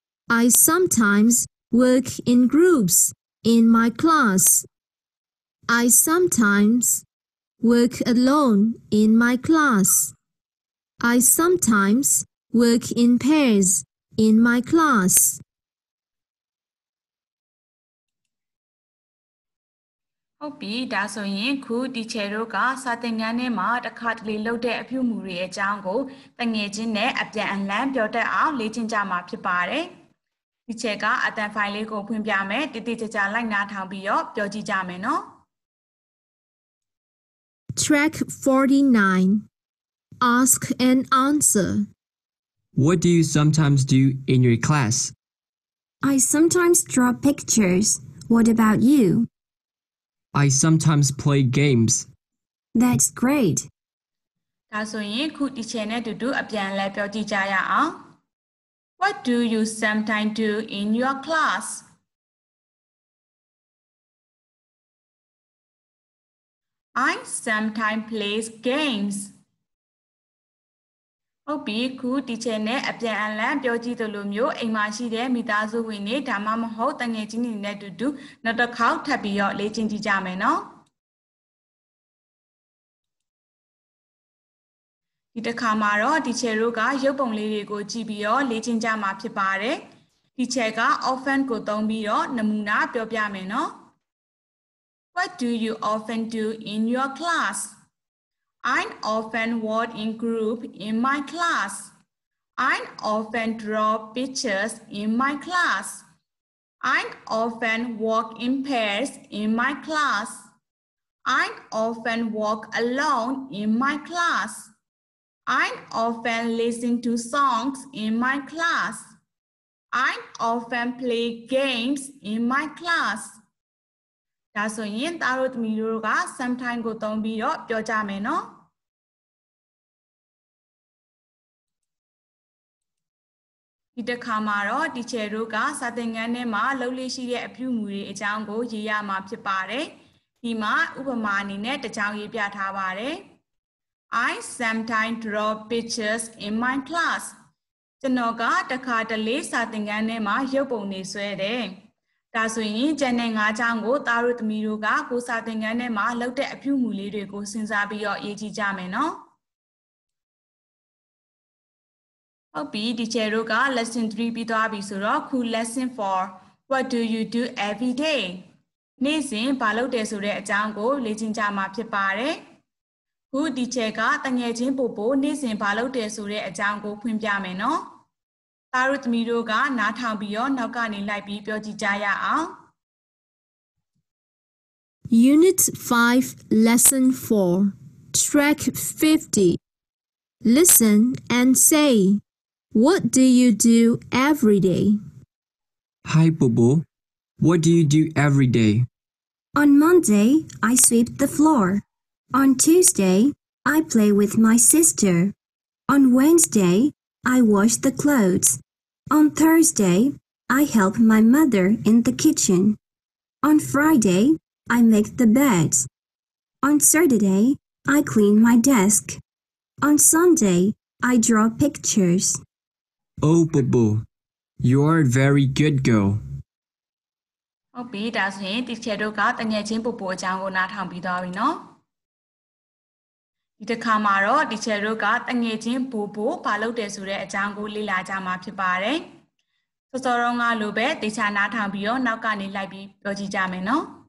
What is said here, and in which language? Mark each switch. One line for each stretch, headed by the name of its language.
English: I sometimes work in groups in my class. I sometimes work alone in my class. I sometimes work in pairs in my class.
Burmese: ဟုတ်ပြီဒါဆိုရင်ခု teacher တို့ကစာသင်ခန်းထဲမှာတစ်ခါတလေလုပ်တဲ့အပြုအမူတွေအကြောင်းကိုတငယ်ချင်းနဲ့အပြန်အလှန်ပြောတတ်အောင်လေ့ကျင့်ကြမှာဖြစ်ပါတယ် teacher ကအတန်ဖိုင်လေးကိုဖွင့်ပြမယ်တိတိကျကျလိုက်နာထောင်ပြီးတော့ပြောကြည့်ကြမယ်နော်
English: Track 49 Ask and answer What do you sometimes do in your class? I sometimes draw pictures. What about you? I sometimes play games. That's great.
Burmese: ဒါဆိုရင်ခု teacher နဲ့အတူတူအပြန်လဲပြောကြည့်ကြရအောင်.
English: What do you sometimes do in your class? I sometimes play games.
Burmese: ဟုတ်ပြီခု teacher နဲ့အပြန်အလှန်ပြောကြည့်သလိုမျိုးအိမ်မှာရှိတဲ့မိသားစုဝင်တွေဒါမှမဟုတ်တငယ်ချင်းတွေနဲ့အတူတူနောက်တစ်ခေါက်ထပ်ပြီးတော့လေ့ကျင့်ကြည့်ကြမယ်နော် ဒီတစ်ခါမှာတော့ teacher တို့ကရုပ်ပုံလေးတွေကိုကြည့်ပြီးတော့လေ့ကျင့်ကြမှာဖြစ်ပါတယ်။ teacher က often ကိုသုံးပြီးတော့နမူနာပြောပြမယ်နော်။
English: What do you often do in your class? I often work in group in my class. I often draw pictures in my class. I often work in pairs in my class. I often work alone in my class. I often listen to songs in my class. I often play games in my class.
Burmese: ဒါဆိုရင်သားတို့သမီးတို့က sometime ကိုသုံးပြီးတော့ပြောကြမယ်နော်ဒီတစ်ခါမှာတော့ teacher တို့ကစာသင်ခန်းထဲမှာလှုပ်လေ့ရှိတဲ့အပြုအမူတွေအကြောင်းကိုရေးရမှာဖြစ်ပါတယ်ဒီမှာဥပမာအနေနဲ့တစ်ချောင်းရေးပြထားပါတယ်
English: I sometimes draw pictures in my class.
Burmese: ကျွန်တော်ကတခါတလေစာသင်ခန်းထဲမှာရုပ်ပုံတွေဆွဲတယ်။ဒါဆိုရင်ကျန်တဲ့ငါးချောင်းကိုသားတို့သမီးတို့ကကိုစာသင်ခန်းထဲမှာလှုပ်တဲ့အပြုအမူလေးတွေကိုစဉ်းစားပြီးတော့ရေးကြည့်ကြမယ်နော်။ဟုတ်ပြီ teacher တို့က lesson 3ပြီးသွားပြီဆိုတော့ခု lesson 4
English: What do you do every day?
Burmese: နေ့စဉ်ဘာလုပ်တယ်ဆိုတဲ့အကြောင်းကိုလေ့ကျင့်ကြမှာဖြစ်ပါတယ်။ခုဒီချက်ကတငယ်ချင်းပို့ပို့နေ့စဉ်ဘာလုပ်တယ်ဆိုတဲ့အကြောင်းကိုဖွင့်ပြမယ်နော်။သားတို့သမီးတို့ကနားထောင်ပြီးတော့နောက်ကနေလိုက်ပြီးပြောကြည့်ကြရအောင်。
English: Unit 5 Lesson 4 Track 50 Listen and say, What do you do every day? Hi, Bobo. What do you do every day? On Monday, I sweep the floor. On Tuesday, I play with my sister. On Wednesday, I wash the clothes. On Thursday, I help my mother in the kitchen. On Friday, I make the beds. On Saturday, I clean my desk. On Sunday, I draw pictures. Oh, Bobo, you are a very good girl.
Burmese: ဟုတ်ပြီ ဒါဆိုရင်တီချာတို့ကတငယ်ချင်းပူပူအကြောင်းကိုနားထောင်ပြီးသွားပြီနော်ဒီတစ်ခါမှာတော့ teacher တို့ကတငယ်ချင်းဘိုဘိုဘာလုပ်တယ်ဆိုတဲ့အကြောင်းကိုလေ့လာကြမှာဖြစ်ပါတယ်။စောစောတုန်းကလိုပဲတေချာနားထောင်ပြီးတော့နောက်ကနေလိုက်ပြီးပြောကြည့်ကြမယ်နော်